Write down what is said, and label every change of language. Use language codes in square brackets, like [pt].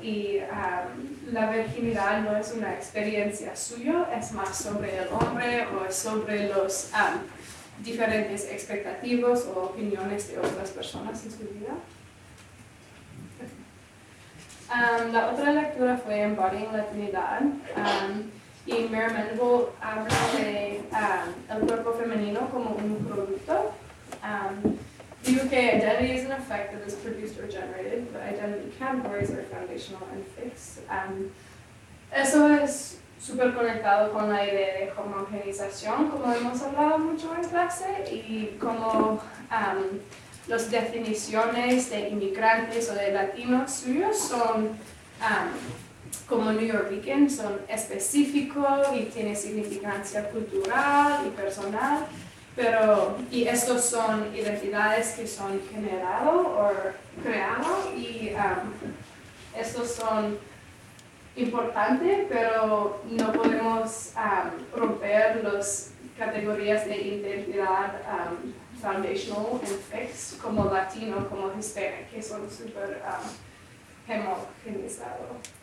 [es] Y la virginidad no es una experiencia suya, es más sobre el hombre o es sobre los diferentes expectativas o opiniones de otras personas en su vida. La otra lectura fue Embodying la Trinidad. Y Mary Mendel habla de el cuerpo femenino como un producto. Digo que [en] identity is an effect that is produced or generated, but identity categories are foundational and fixed. [es] Eso es súper conectado con la idea de homogenización, como hemos hablado mucho en clase, y como las definiciones de inmigrantes o de latinos suyos son como New York Weekend, son específicos y tienen significancia cultural y personal, pero y estos son identidades que son generados o creados, y estos son importantes, pero no podemos romper las categorías de identidad [en] foundational and fixed, [es] como latino, como hispano, que son súper homogenizados.